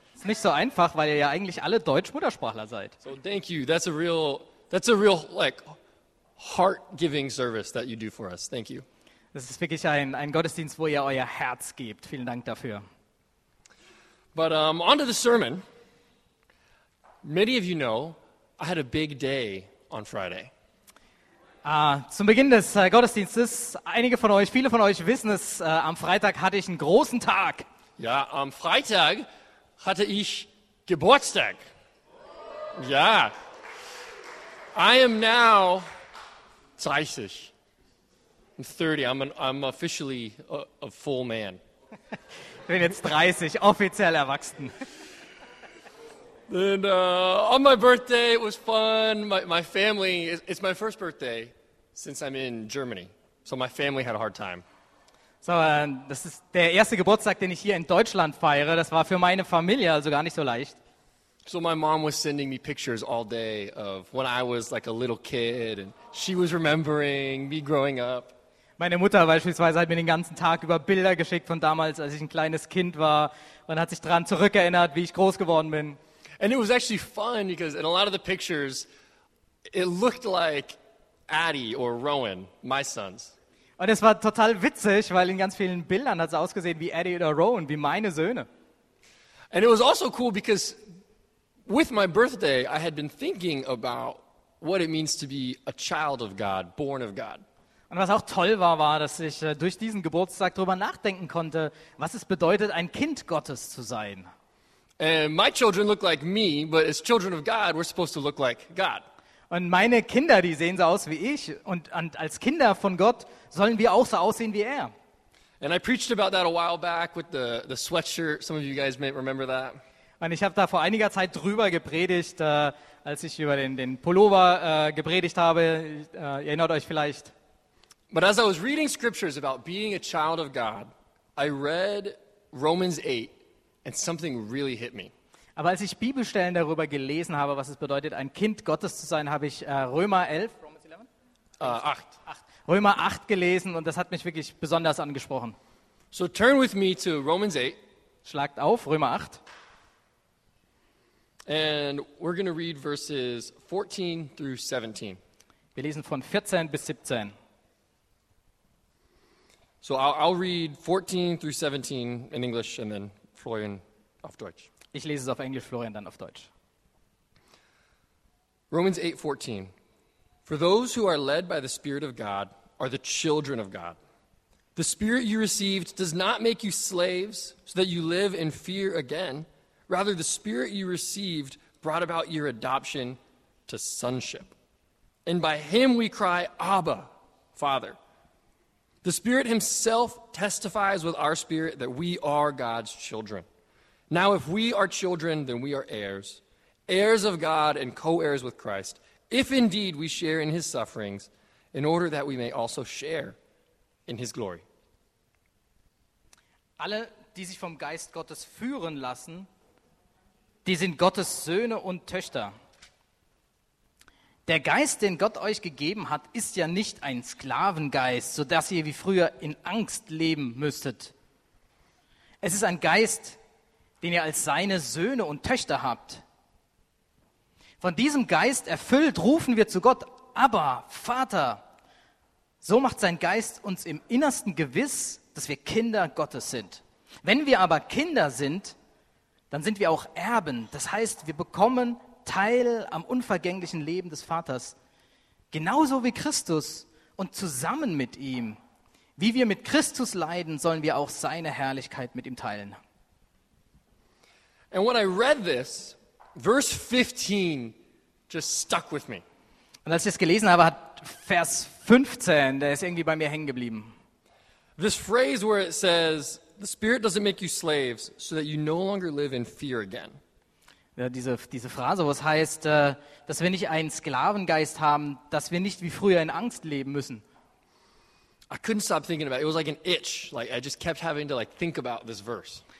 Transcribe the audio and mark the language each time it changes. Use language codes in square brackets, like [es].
[de] Ist nicht so einfach, weil ihr ja eigentlich alle Deutsch-Muttersprachler seid. [en] So, thank you. That's a real, like, heart-giving service that you do for us. Thank you. [de] Das ist wirklich ein Gottesdienst, wo ihr euer Herz gebt. Vielen Dank dafür. [en] But on to the sermon. Many of you know, I had a big day on Friday. [de] Zum Beginn des Gottesdienstes, einige von euch, viele von euch wissen es, am Freitag hatte ich einen großen Tag. Ja, am Freitag hatte ich Geburtstag. [en] Ja. I am now 30. I'm 30, I'm officially a full man. [de] Ich bin jetzt 30, offiziell erwachsen. [en] And on my birthday, it was fun. My family, it's my first birthday since I'm in Germany. So my family had a hard time. [de] So, das ist der erste Geburtstag, den ich hier in Deutschland feiere. Das war für meine Familie also gar nicht so leicht. [en] So my mom was sending me pictures all day of when I was like a little kid and she was remembering me growing up. [de] Meine Mutter beispielsweise hat mir den ganzen Tag über Bilder geschickt von damals, als ich ein kleines Kind war. Man hat sich daran zurückerinnert, wie ich groß geworden bin. [en] And it was actually fun because in a lot of the pictures, it looked like Addy or Rowan, my sons. [de] Und es war total witzig, weil in ganz vielen Bildern hat es ausgesehen wie Addy oder Rowan, wie meine Söhne. [en] And it was also cool because with my birthday, I had been thinking about what it means to be a child of God, born of God. [de] Und was auch toll war, dass ich durch diesen Geburtstag darüber nachdenken konnte, was es bedeutet, ein Kind Gottes zu sein. [en] And my children look like me, but as children of God, we're supposed to look like God. [de] Und meine Kinder, die sehen so aus wie ich. Und als Kinder von Gott sollen wir auch so aussehen wie er. [en] And I preached about that a while back with the sweatshirt. Some of you guys may remember that. [de] Und ich habe da vor einiger Zeit drüber gepredigt, als ich über den Pullover gepredigt habe. Ihr erinnert euch vielleicht. [en] But as I was reading scriptures about being a child of God, I read Romans 8 and something really hit me. [de] Aber als ich Bibelstellen darüber gelesen habe, was es bedeutet, ein Kind Gottes zu sein, habe ich Römer 8 gelesen und das hat mich wirklich besonders angesprochen. [en] So turn with me to Romans 8. [de] Schlagt auf, Römer 8. [en] And we're going to read verses 14 through 17. [de] Wir lesen von 14 bis 17. [en] So I'll read 14 through 17 in English and then Florian [de] auf Deutsch. Ich lese es auf Englisch, Florian dann auf Deutsch. [en] Romans 8:14. For those who are led by the Spirit of God are the children of God. The Spirit you received does not make you slaves so that you live in fear again. Rather, the Spirit you received brought about your adoption to sonship. And by him we cry, Abba, Father. The Spirit himself testifies with our spirit that we are God's children. Now, if we are children, then we are heirs, heirs of God and co-heirs with Christ, if indeed we share in his sufferings, in order that we may also share in his glory. [de] Alle, die sich vom Geist Gottes führen lassen, die sind Gottes Söhne und Töchter. Der Geist, den Gott euch gegeben hat, ist ja nicht ein Sklavengeist, sodass ihr wie früher in Angst leben müsstet. Es ist ein Geist, den ihr als seine Söhne und Töchter habt. Von diesem Geist erfüllt rufen wir zu Gott, aber Vater. So macht sein Geist uns im Innersten gewiss, dass wir Kinder Gottes sind. Wenn wir aber Kinder sind, dann sind wir auch Erben. Das heißt, wir bekommen Teil am unvergänglichen Leben des Vaters. Genauso wie Christus und zusammen mit ihm. Wie wir mit Christus leiden, sollen wir auch seine Herrlichkeit mit ihm teilen. [en] And when I read this, verse 15 just stuck with me. [de] Und als ich es gelesen habe, hat Vers 15, der ist irgendwie bei mir hängen geblieben. [en] This phrase where it says, the Spirit doesn't make you slaves, so that you no longer live in fear again. [de] Ja, diese Phrase, wo es heißt, dass wir nicht einen Sklavengeist haben, dass wir nicht wie früher in Angst leben müssen. [en] I couldn't stop thinking about it. It was like an itch. Like I just kept having to like think about this verse.